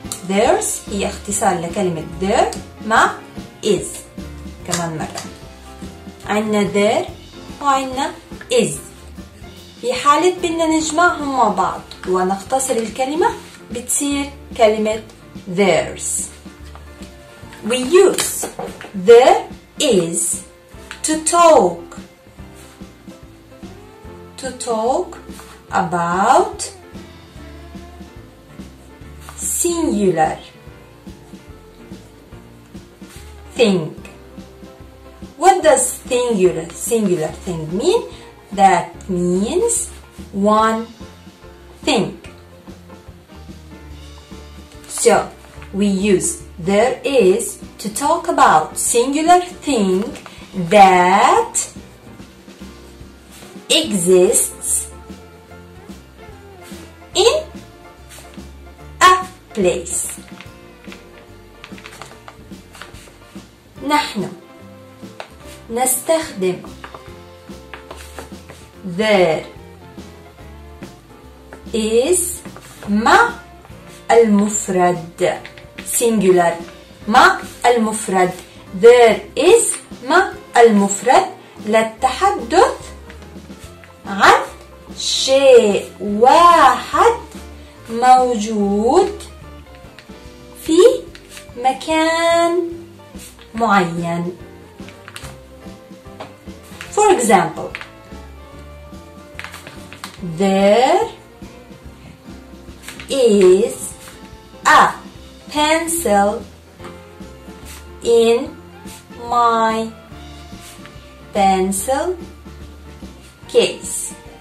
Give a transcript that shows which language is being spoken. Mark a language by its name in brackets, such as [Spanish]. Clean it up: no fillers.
[Arabic] There's هي اختصار لكلمة there مع is. كمان مرة عندنا there وعندنا is. في حالة بدنا نجمعهم مع بعض ونختصر الكلمة بتصير كلمة there's. [English] We use there is to talk about singular thing. What does singular thing mean? That means one thing. So, we use there is to talk about singular thing that exists in a place. [Arabic] نحن نستخدم there is مع المفرد singular مع المفرد there is مع المفرد للتحدث عن شيء واحد موجود في مكان معين. [English] For example, there is a pencil in my pencil case.